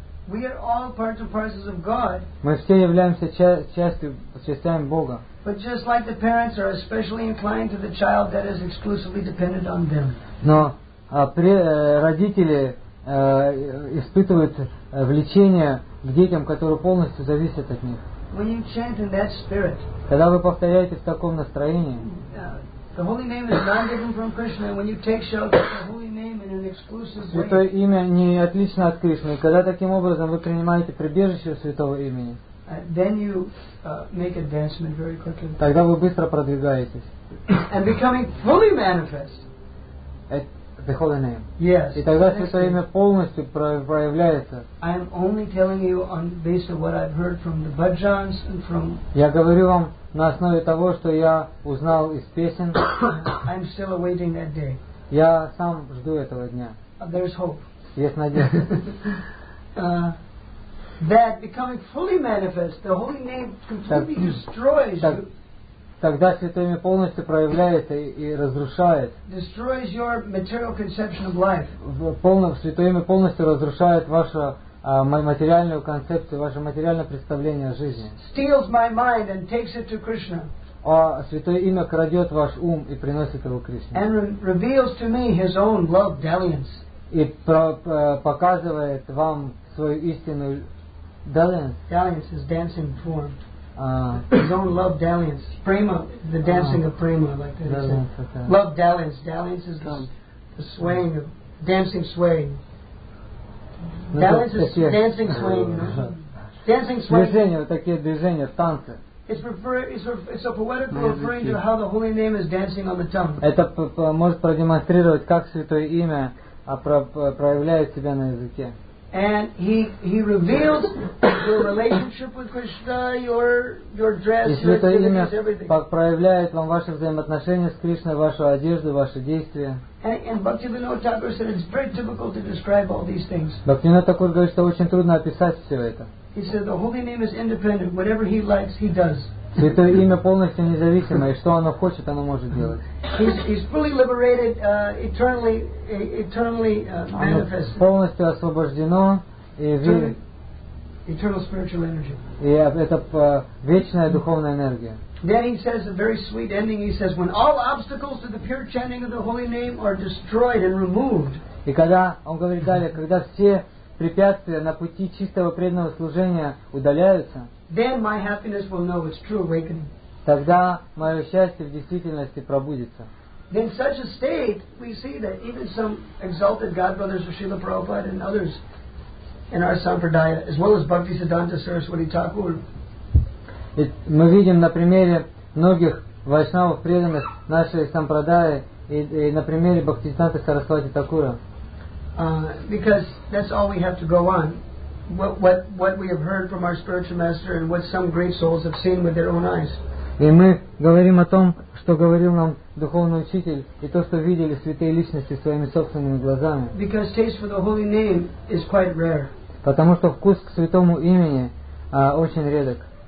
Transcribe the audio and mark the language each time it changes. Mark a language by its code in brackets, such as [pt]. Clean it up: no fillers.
[en] We are all parts and parcels of God. [ru] Мы все являемся частями Бога. [en] But just like the parents are especially inclined to the child that is exclusively dependent on them. [ru] Но родители испытывают влечение к детям, которые полностью зависят от них. [en] When you chant in that spirit. [ru] Когда вы повторяете в таком настроении. [en] The holy name is not different from Krishna. When you take shelter of the holy name in an exclusive way. [ru] Святое имя не отлично от Кришны. Когда таким образом вы принимаете прибежище святого имени. [en] Then you make advancement very quickly. [ru] Тогда вы быстро продвигаетесь. [en] And becoming fully manifest. The holy name. Yes. [ru] И тогда святое имя полностью проявляется. [en] I am only telling you on based on what I've heard from the bhajans and from. [ru] Я говорю вам на основе того, что я узнал из песен. [en] I'm still awaiting that day. [ru] Я сам жду этого дня. [en] There's hope. [ru] Есть надежда. [en] That becoming fully manifest, the holy name completely destroys you. [ru] Тогда святое имя полностью проявляется и разрушает. [en] Destroys your material conception of life. [ru] Святое имя полностью разрушает вашу материальную концепцию, ваше материальное представление о жизни. [en] Steals my mind and takes it to Krishna. [ru] А святое имя крадет ваш ум и приносит его Кришне. [en] And reveals to me his own love dalliance. [ru] И показывает вам свою истинную dalliance. [en] Dalliance is dancing form. His own love dalliance, prema, the dancing of prema, like that. Okay. Love dalliance, dalliance is the swaying, of, dancing swaying. Dalliance is dancing swaying, dancing swaying. [ru] Движения, вот такие движения, танцы. [en] It's a poetical referring to how the holy name is dancing on the tongue. [ru] Это может продемонстрировать, как святое имя проявляет себя на языке. [en] And he reveals your relationship with Krishna, your dress, your activities, everything. [ru] И святое имя проявляет вам ваши взаимоотношения с Кришной, вашу одежду, ваши действия. [en] And Bhaktivinoda Thakur said it's very difficult to describe all these things. [ru] Бхактивинода Такур говорит, что очень трудно описать все это. [en] He said the holy name is independent. Whatever he likes, he does. [ru] Святое имя полностью независимое, что оно хочет, оно может делать. [en] He's fully liberated, eternally manifest. [ru] Полностью освобождено и [en] eternal spiritual energy. [ru] И это вечная духовная энергия. [en] Then he says a very sweet ending. He says, when all obstacles to the pure chanting of the holy name are destroyed and removed. [ru] И когда он говорит далее, когда все препятствия на пути чистого преданного служения удаляются. [en] Then my happiness will know its true awakening. [ru] Тогда мое счастье в действительности пробудится. [en] In such a state, we see that even some exalted God brothers, Srila Prabhupada and others, in our Sampradaya, as well as Bhaktisiddhanta Saraswati Thakur. [ru] Мы видим на примере многих вайшнавов преданных нашей Сампрадаи и на примере Бхактисиддханты Сарасвати Такура. [en] Because that's all we have to go on. What we have heard from our spiritual master and what some great souls have seen with their own eyes. [ru] И мы говорим о том, что говорил нам духовный учитель, и то, что видели святые личности своими собственными глазами. [en] Because taste for the holy name is quite rare. [ru] Потому что вкус к святому имени очень редок.